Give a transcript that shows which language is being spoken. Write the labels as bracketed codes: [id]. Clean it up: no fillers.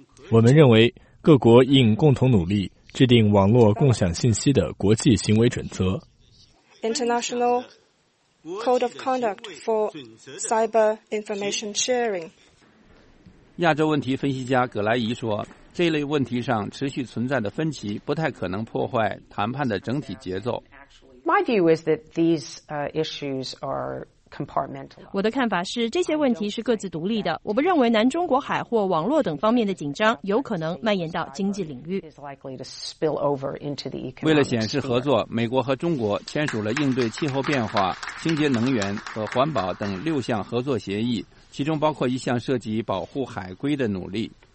[zh] 我们认为各国应共同努力制定网络共享信息的国际行为准则。 [en] International Code of Conduct for Cyber Information Sharing。 [zh] 亚洲问题分析家葛莱仪说，这类问题上持续存在的分歧不太可能破坏谈判的整体节奏。 [en] My view is that these issues are compartmentalized. [zh] 我的看法是，这些问题是各自独立的。我不认为南中国海或网络等方面的紧张有可能蔓延到经济领域。为了显示合作，美国和中国签署了应对气候变化、清洁能源和环保等六项合作协议，其中包括一项涉及保护海龟的努力。